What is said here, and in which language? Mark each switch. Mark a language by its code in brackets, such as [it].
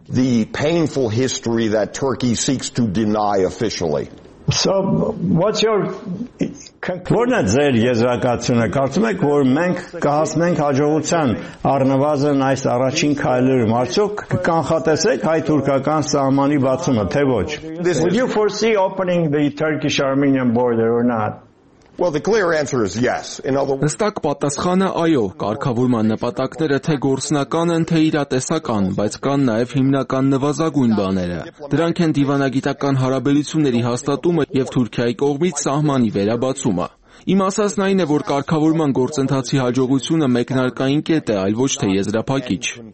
[en] History that Turkey seeks to deny officially. So, what's your [hy] Որն է ձեր եզրակացությունը, կարծում եք, որ մենք կհասնենք հաջողության առնվազն այս առաջին քայլերում, արդյոք կանխատեսեք հայ-թուրքական սահմանի բացումը, թե ոչ? Would you foresee opening the Turkish-Armenian border or not? Well, the clear answer is yes. In other words, հստակ պատասխանը այո, կարգավորման նպատակները թե գործնական են, թե իրատեսական, բայց կան նաև հիմնական նվազագույն բաները։ Դրանք են դիվանագիտական հարաբերությունների հաստատումը և Թուրքիայի կողմից սահմանի վերաբացումը։ Իմ ասածն այն է, որ կարգավորման գործընթացի հաջողությունը մեկնարկային կետ է, այլ ոչ թե եզրափակիչ։